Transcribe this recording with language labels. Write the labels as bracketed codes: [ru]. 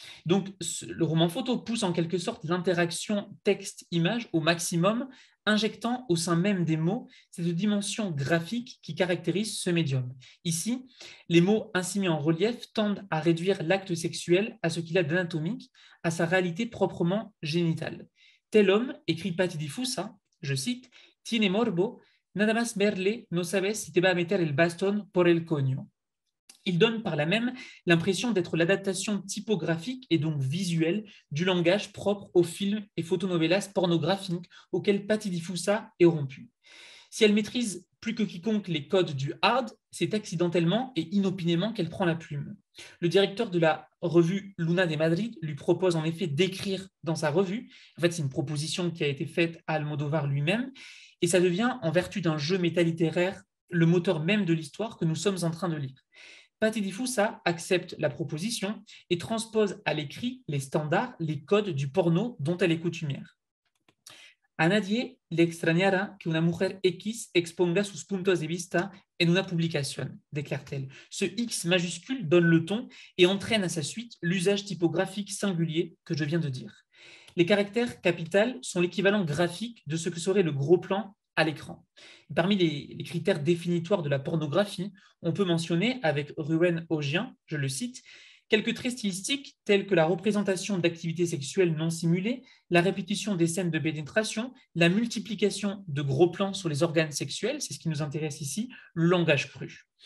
[fr] Donc, le roman photo pousse en quelque sorte l'interaction texte-image au maximum, injectant au sein même des mots cette dimension graphique qui caractérise ce médium. Ici, les mots ainsi mis en relief tendent à réduire l'acte sexuel à ce qu'il a d'anatomique, à sa réalité proprement génitale. Tel homme, écrit Patty Difusa, je cite, [es] Tiene morbo, nada más verle, no sabes si te va a meter el bastón por el coño. [fr] Il donne par là même l'impression d'être l'adaptation typographique et donc visuelle du langage propre aux films et photonovelas pornographiques auxquels Patty Difusa est rompue. Si elle maîtrise plus que quiconque les codes du hard, C'est accidentellement et inopinément qu'elle prend la plume. Le directeur de la revue Luna de Madrid lui propose en effet d'écrire dans sa revue. En fait, c'est une proposition qui a été faite à Almodovar lui-même. Et ça devient, en vertu d'un jeu métalittéraire, le moteur même de l'histoire que nous sommes en train de lire. Paty de Foussa accepte la proposition et transpose à l'écrit les standards, les codes du porno dont elle est coutumière. [es] A nadie le extrañará que una mujer X exponga sus puntos de vista en una publicación, [fr] déclare-t-elle. Ce X majuscule donne le ton et entraîne à sa suite l'usage typographique singulier que je viens de dire. Les caractères capitales sont l'équivalent graphique de ce que serait le gros plan à l'écran. Parmi les critères définitoires de la pornographie, on peut mentionner, avec Ruben Augien, je le cite, quelques traits stylistiques tels que la représentation d'activités sexuelles non simulées, la répétition des scènes de pénétration, la multiplication de gros plans sur les organes sexuels, c'est ce qui nous intéresse ici, le langage cru.